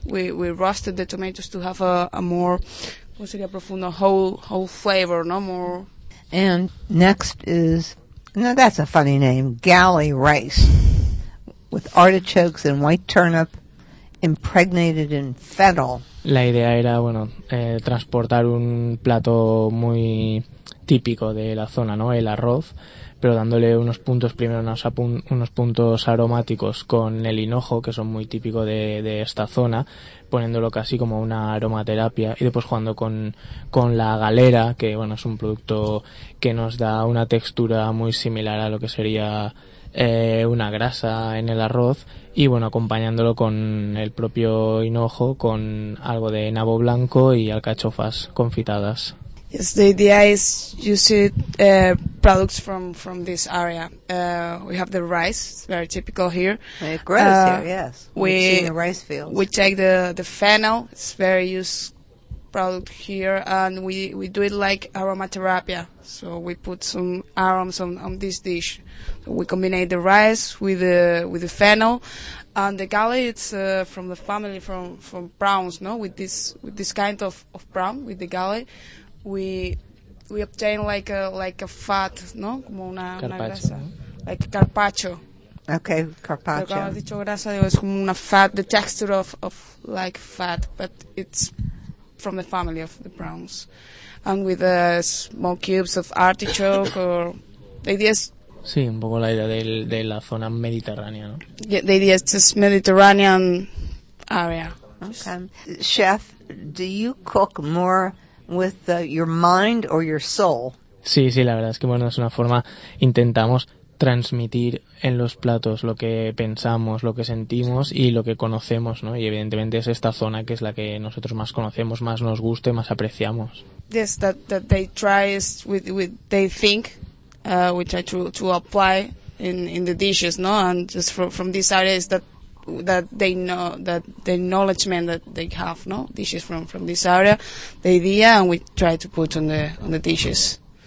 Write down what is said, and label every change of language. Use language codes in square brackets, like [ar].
[en] We roasted the tomatoes to have a more, what's it, a profundo whole flavor, no more. And next is, now that's a funny name, galley rice. With artichokes and white turnip impregnated in fennel. [es] La idea era, bueno, transportar un plato muy típico de la zona, ¿no? El arroz, pero dándole unos puntos, primero unos puntos aromáticos con el hinojo, que son muy típicos de esta zona, poniéndolo casi como una aromaterapia, y después jugando con la galera, que, bueno, es un producto que nos da una textura muy similar a lo que sería una grasa en el arroz, y bueno, acompañándolo con el propio hinojo, con algo de nabo blanco y alcachofas confitadas. [en] Yes, the idea is using products from this area. We have the rice, it's very typical here. It grows here, yes. We see the rice fields. We take the fennel, it's very used product here, and we do it like aromatherapy. So we put some aroms on this dish. So we combine the rice with the fennel, and the galley. It's from the family from browns, no? With this kind of brown, with the galley, we obtain like a fat, no? [es] Como una grasa, [en] like carpaccio. Okay, carpaccio. [es] Como has dicho, grasa, es como una [en] fat, the texture of like fat, but it's from the family of the browns, and with small cubes of artichoke or the idea is, [es] sí, un poco la idea de la zona mediterránea, ¿no? [en] Yeah, the idea is just Mediterranean area. Okay. Chef, do you cook more with your mind or your soul? [es] Sí, la verdad es que, bueno, es una forma, intentamos transmitir en los platos lo que pensamos, lo que sentimos y lo que conocemos, ¿no? Y evidentemente es esta zona que es la que nosotros más conocemos, más nos gusta y más apreciamos. [en] Yes, that they try is with they think, which I to apply in the dishes, no? And just from this area is that they know that the knowledge that they have, no? Dishes from this area, the idea, and we try to put on the dishes.